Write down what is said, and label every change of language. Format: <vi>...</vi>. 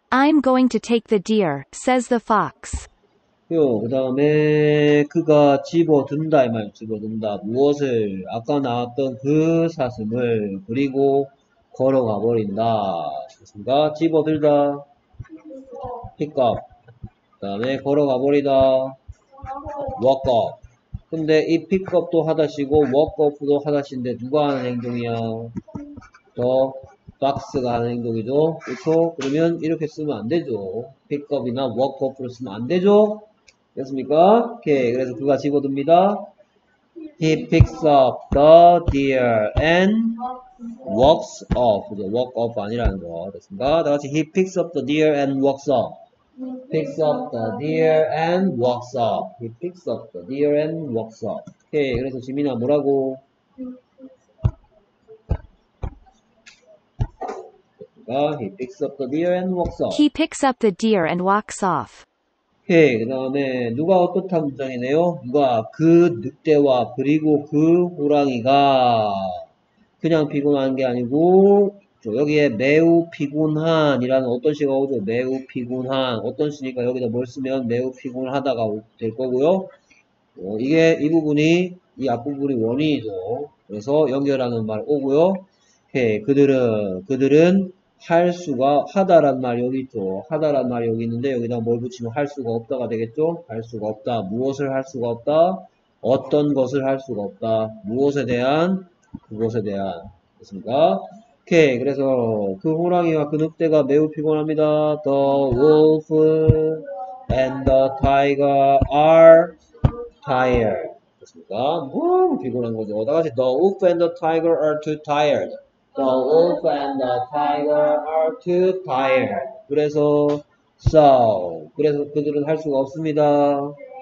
<en>I'm going to take the deer, says the fox.</en> <ko>그 다음에 그가 집어든다 이 말, 집어든다 무엇을 아까 나왔던 그 사슴을 그리고 걸어가 버린다. 그니까 집어들다, pick up. 그 다음에 걸어가 버리다, walk up. 근데 이 pick up도 하다시고 walk up도 하다시인데 누가 하는 행동이야? 더 박스가 하는 행동이죠. 그렇죠? 그러면 이렇게 쓰면 안 되죠. 픽업이나 워크업으로 쓰면 안 되죠. 됐습니까? 오케이. 그래서 그가 집어듭니다.</ko> <en>He picks up the deer and walks off.</en> <ko>그죠? walk off 아니라는 거. 됐습니까? 다 같이</ko> <en>He picks up the deer and walks off. Picks up the deer and walks off. He picks up the deer and walks off.</en> <ko>오케이. 그래서 지민아 뭐라고?</ko> <en>아, he picks up the deer and walks off. He picks up the deer and walks off.</en> <ko>오케이. 그 다음에 누가 어떻다 문장이네요. 누가 그 늑대와 그리고 그 호랑이가 그냥 피곤한 게 아니고 여기에 매우 피곤한 이라는 어떤 시가 오죠? 매우 피곤한 어떤 시니까 여기다 뭘 쓰면 매우 피곤하다가 될 거고요. 이게 이 부분이 이 앞부분이 원인이죠. 그래서 연결하는 말 오고요. 오케이. 그들은 할 수가 하다란 말 여기 있죠. 하다란 말 여기 있는데 여기다 뭘 붙이면 할 수가 없다가 되겠죠? 할 수가 없다. 무엇을 할 수가 없다? 어떤 것을 할 수가 없다. 무엇에 대한? 그것에 대한. 그렇습니까? 오케이. 그래서 그 호랑이와 그 늑대가 매우 피곤합니다.</ko> <en>The wolf and the tiger are tired.</en> <ko>그렇습니까? 너무 피곤한 거죠. 다 같이</ko> <en>The wolf and the tiger are too tired. The wolf and the tiger are too tired.</en> <ko>그래서, so. 그래서 그들은 할 수가 없습니다.</ko>